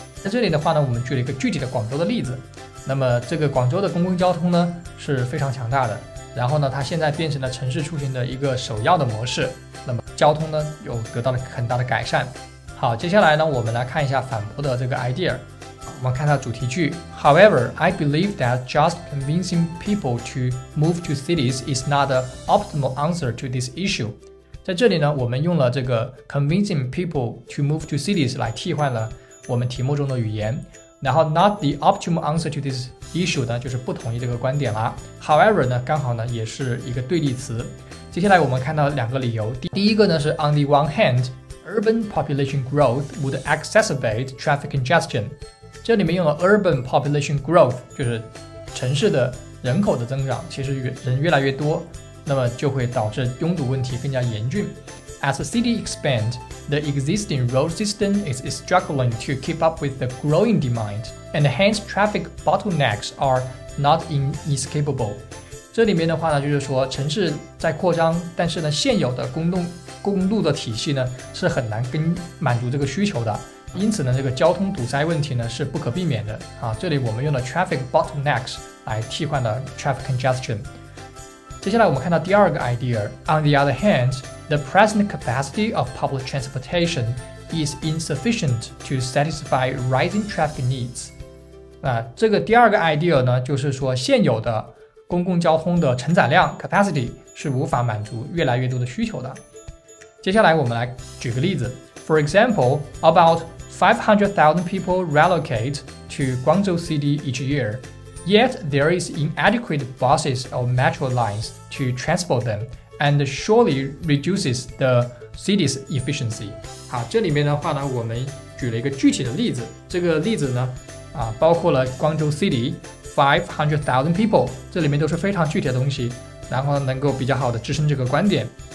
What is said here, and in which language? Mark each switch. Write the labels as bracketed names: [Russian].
[Chinese] 在这里的话呢我们举了一个具体的广州的例子，那么这个广州的公共交通呢是非常强大的，然后呢它现在变成了城市出行的一个首要的模式，那么交通呢又得到了很大的改善。好，接下来呢我们来看一下反驳的这个 idea。我们看到主题句， [English] However I believe that just convincing people to move to cities is not the optimal answer to this issue。 [Chinese] 在这里呢我们用了这个 [English] convincing people to move to cities [Chinese] 来替换了我们题目中的语言，然后 [English] not the optimal answer to this issue [Chinese] 呢就是不同意这个观点啦。 However 呢刚好呢也是一个对立词。接下来我们看到两个理由，第一个呢是 [English] on the one hand urban population growth would exacerbate traffic congestion， [Chinese] 这里面用了 [English] urban population growth [Chinese] 就是城市的人口的增长，其实人越来越多，那么就会导致拥堵问题更加严峻。 [English] As the city expands the existing road system is struggling to keep up with the growing demand and hence traffic bottlenecks are not inescapable。 [Chinese] 这里面的话呢就是说城市在扩张，但是呢现有的公路的体系呢是很难满足这个需求的，因此呢这个交通堵塞问题呢是不可避免的啊。这里我们用了 [English] traffic bottlenecks [Chinese] 来替换了 [English] traffic congestion。 [Chinese] 接下来我们看到第二个 [English] idea， on the other hand the present capacity of public transportation is insufficient to satisfy rising traffic needs。 [Chinese] 这个第二个 idea 呢就是说现有的公共交通的承载量 capacity 是无法满足越来越多的需求的。接下来我们来举个例子， [English] For example about 500,000 people relocate to Guangzhou city each year yet there is inadequate buses or metro lines to transport them and surely reduces the city's efficiency。 [Chinese] 好，这里面的话呢我们举了一个具体的例子，这个例子呢包括了光州 city 500,000 people， 这里面都是非常具体的东西，然后能够比较好的支撑这个观点。